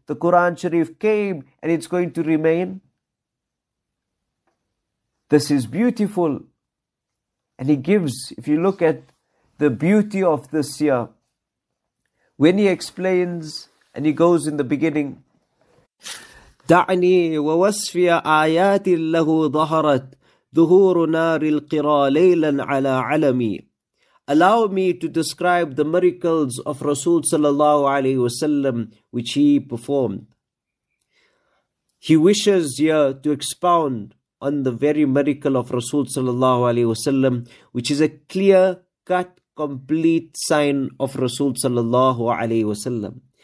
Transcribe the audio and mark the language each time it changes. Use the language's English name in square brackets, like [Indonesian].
[English] The Quran Sharif came and it's going to remain. This is beautiful. And he gives, if you look at the beauty of this year, when he explains and he goes in the beginning, [Arabic] دعني ووصفي آيات له ظهرت ظهور نار القرى ليلا على علمي. [English] Allow me to describe the miracles of Rasul sallallahu alayhi wa sallam which he performed. He wishes here to expound on the very miracle of Rasul sallallahu alayhi wa sallam, which is a clear cut complete sign of Rasul sallallahu alayhi wa sallam.